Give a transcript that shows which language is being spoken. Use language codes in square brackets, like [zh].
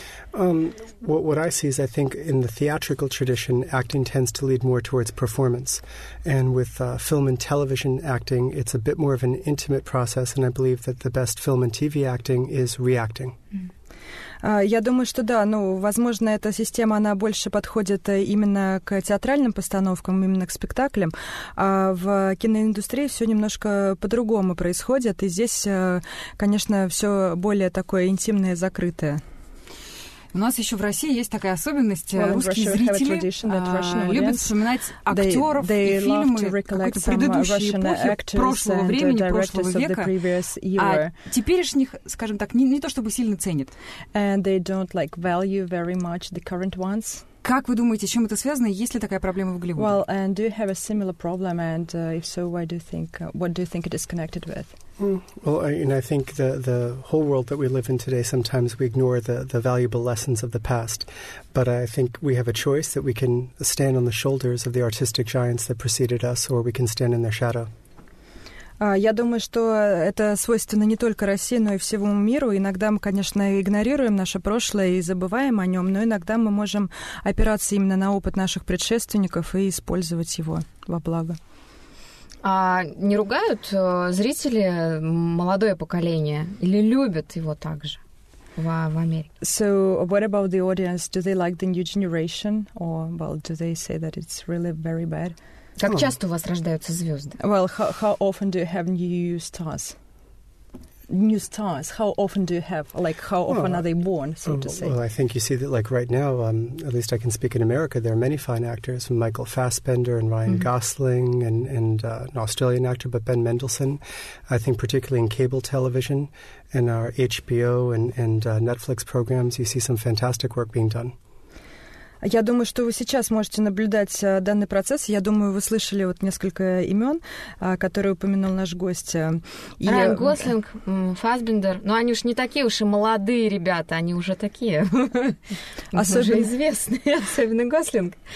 [en] What I see is I think in the theatrical tradition, acting tends to lead more towards performance. And with film and television acting, it's a bit more of an intimate process, and I believe that the best film and TV acting is reacting. [ru] Я думаю, что да, ну, возможно, эта система, она больше подходит именно к театральным постановкам, именно к спектаклям, а в киноиндустрии все немножко по-другому происходит, и здесь, конечно, все более такое интимное, закрытое. У нас еще в России есть такая особенность. Well, русские зрители любят вспоминать актеров и фильмы какой-то предыдущей эпохи, прошлого времени, прошлого века. А теперешних, скажем так, не то чтобы сильно ценят. [en] And they don't like value very much the current ones. [ru] Как вы думаете, с чем это связано, и есть ли такая проблема в Голливуде? [en] Well, and do you have a similar problem, and if so, why do you think, what do you think it is connected with? Well, I think the whole world that we live in today, sometimes we ignore the valuable lessons of the past. But I think we have a choice that we can stand on the shoulders of the artistic giants that preceded us, or we can stand in their shadow. [ru] Я думаю, что это свойственно не только России, но и всему миру. Иногда мы, конечно, игнорируем наше прошлое и забываем о нем, но иногда мы можем опираться именно на опыт наших предшественников и использовать его во благо. А не ругают зрители молодое поколение или любят его так же в Америке? [en] So what about the audience? Do they like the new generation? Or, well, do they say that it's really very bad? [ru] Как часто у вас рождаются звезды? [en] Well, how often do you have new stars? New stars. How often do you have, like, how often are they born, so to say? Well, I think you see that, like, right now, at least I can speak in America, there are many fine actors, from Michael Fassbender and Ryan Gosling, and an Australian actor, but Ben Mendelsohn. I think particularly in cable television and our HBO and Netflix programs, you see some fantastic work being done. [ru] Я думаю, что вы сейчас можете наблюдать данный процесс. Я думаю, вы слышали вот несколько имен, которые упомянул наш гость. Райан Гослинг, Фассбендер. Но они уж не такие уж и молодые ребята, они уже такие. Уже известные, особенно Гослинг.